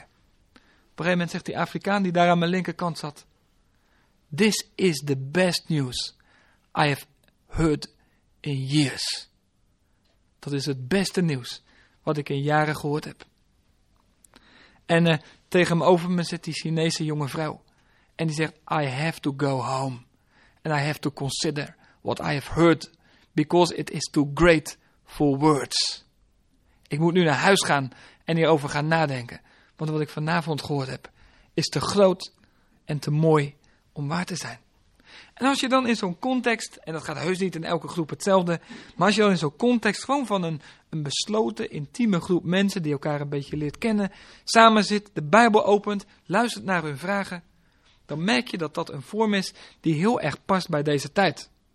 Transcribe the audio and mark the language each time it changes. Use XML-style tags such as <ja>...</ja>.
<nl>Op een gegeven moment zegt die Afrikaan die daar aan mijn linkerkant zat:</nl> <en>"This is the best news I have heard in years."</en> <nl>Dat is het beste nieuws wat ik in jaren gehoord heb. En tegen me over me zit die Chinese jonge vrouw. En die zegt:</nl> <en>"I have to go home. And I have to consider what I have heard. Because it is too great for words."</en> <nl>Ik moet nu naar huis gaan en hierover gaan nadenken. Want wat ik vanavond gehoord heb is te groot en te mooi om waar te zijn. En als je dan in zo'n context, en dat gaat heus niet in elke groep hetzelfde, maar als je dan in zo'n context gewoon van een besloten, intieme groep mensen die elkaar een beetje leert kennen, samen zit, de Bijbel opent, luistert naar hun vragen, dan merk je dat dat een vorm is die heel erg past bij deze tijd.</nl>